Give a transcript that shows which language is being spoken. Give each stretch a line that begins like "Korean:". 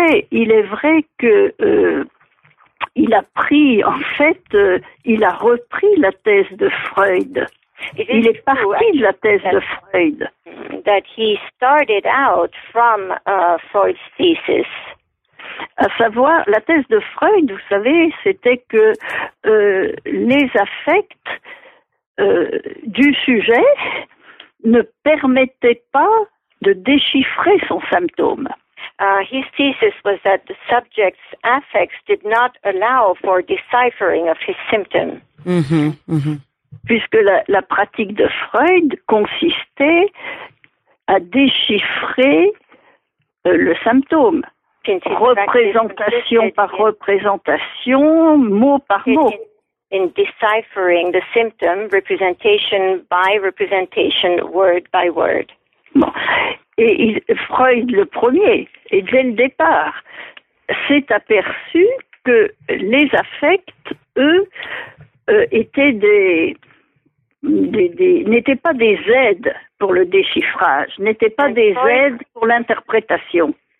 French: Il est vrai que il a pris, en fait, il a repris la thèse de Freud. Il est parti de la thèse de Freud.
English: That he started out from Freud's thesis.
French: À savoir, la thèse de Freud, vous savez, c'était que les affects du sujet ne permettait pas de déchiffrer son symptôme.
English: His thesis was that the subject's affects did not allow for deciphering of his symptoms. Mm-hmm, mm-hmm.
French: Puisque la pratique de Freud consistait à déchiffrer le symptôme.
English: Since
French: représentation par représentation, mot par mot.
English: In deciphering the symptom, representation by representation, word by word.
French: Bon. Et Freud le premier, et dès le départ, s'est aperçu que les affects, eux, étaient n'étaient pas des aides pour le déchiffrage, n'étaient pas des aides pour l'interprétation.